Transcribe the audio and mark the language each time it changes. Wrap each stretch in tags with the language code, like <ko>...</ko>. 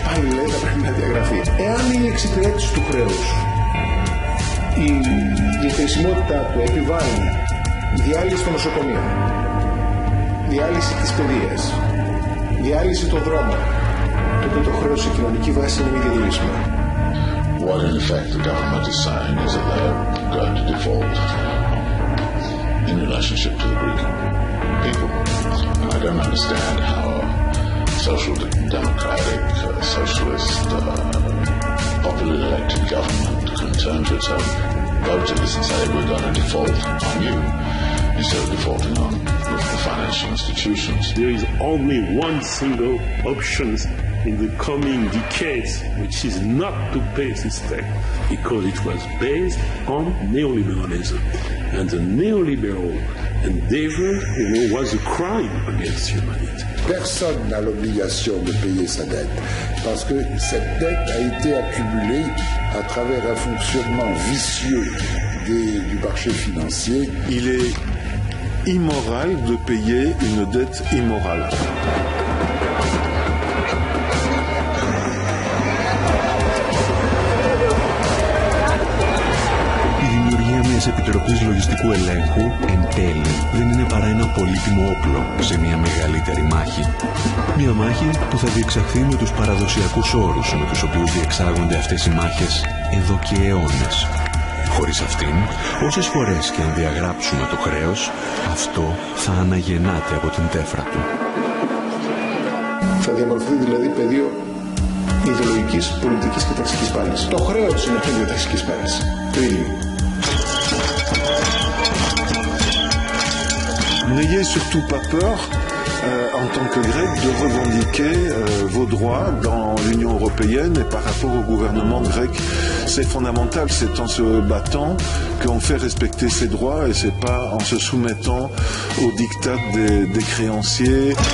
<el>Πάλι λέει θα πρέπει να διαγραφεί. Εάν η εξυπηρέτηση του χρέους, η διαθεσιμότητά του επιβάλλει διάλυση των νοσοκομείων, διάλυση της παιδείας, διάλυση των δρόμων, τότε το χρέος σε κοινωνική βάση είναι μη διαλύσιμο.</el> <en>What in effect the government is saying is that they are going to default in relationship to the Greek people. And I don't understand how social democratic, socialist, popularly elected government can turn to its own voters and say we're going to default on you instead of defaulting on the financial institutions. There is only one single option in the coming decades, which is not to pay this tax, because it was based on neoliberalism. And the neoliberal endeavor, you know, was a crime against humanity.</en> <fr>Personne n'a l'obligation de payer sa dette, parce que cette dette a été accumulée à travers un fonctionnement vicieux du marché financier. Il est immoral de payer une dette immorale.</fr> <el>Της Επιτροπής Λογιστικού Ελέγχου, εν τέλει, δεν είναι παρά ένα πολύτιμο όπλο σε μια μεγαλύτερη μάχη. Μια μάχη που θα διεξαχθεί με τους παραδοσιακούς όρους με τους οποίους διεξάγονται αυτές οι μάχες εδώ και αιώνες. Χωρίς αυτήν, όσες φορές και αν διαγράψουμε το χρέος, αυτό θα αναγεννάται από την τέφρα του. Θα διαμορφωθεί δηλαδή πεδίο ιδεολογικής, πολιτικής και ταξικής πάλης. Το χρέος είναι πεδίο ταξικής πάλης. Το ίδιο.</el> <fr>N'ayez surtout pas peur, en tant que Grec, de revendiquer vos droits dans l'Union européenne et par rapport au gouvernement grec. C'est fondamental, c'est en se battant qu'on fait respecter ses droits et c'est pas en se soumettant aux diktats des créanciers.</fr>